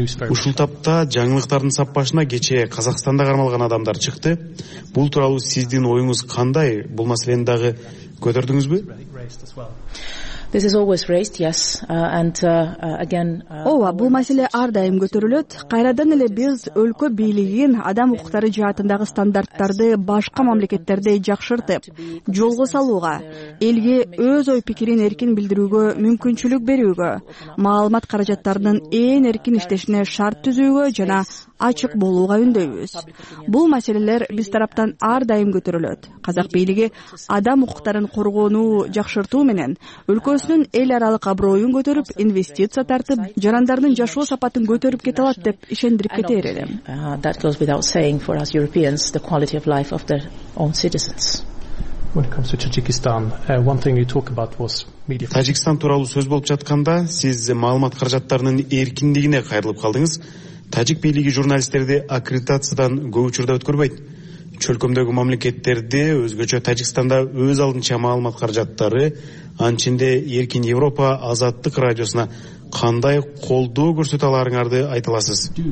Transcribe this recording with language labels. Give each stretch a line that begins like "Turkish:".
Kyrgyz: Ушул тапта жаңылыктардын саппашына кечээ Казакстанда кармалган адамдар чыкты. Бул тууралуу сиздин оюңуз кандай? Бул маселени дагы көтөрдүңүзбү?
English: This is always raised, yes, again.
Kyrgyz: Ова, бул маселе ар дайым көтөрүлөт. Кайрадан эле биз өлкө бийлигин адам укуктары жаатындагы стандарттарды башка мамлекеттерде жакшыртып, жолго салууга, элге өз ой пикирин эркин билдирүүгө мүмкүнчүлүк берүүгө, маалымат каражаттарынын эң эркин иштешине шарт түзүүгө жана ачык болууга үндөйбүз. Бул маселелер биз тараптан ар дайым көтөрүлөт. Казак бийлиги адам укуктарын коргоону жакшыртуу менен өлкөсүнүн эл аралык аброюн көтөрүп, инвестиция тартып, жарандардын жашоо сапатын көтөрүп кете алат деп ишендирип кетер элем.
English: That goes without saying for us Europeans, the quality of life of their own citizens. When it comes to Tajikistan, one thing you talk about was media.
Kyrgyz: Тажикстан тууралуу сөз болуп жатканда, сиз маалымат каражаттарынын эркиндигине кайрылып калдыңыз. Тажик бийлиги журналисттерди аккредитациядан көп учурда өткөрбөйт. Чөлкөмдөгү мамлекеттерде, өзгөчө Тажикстанда өз алдынча маалымат каражаттары, анчинде Эркин Европа Азаттык радиосуна кандай колдоо көрсөтө аларыңарды айта аласыз?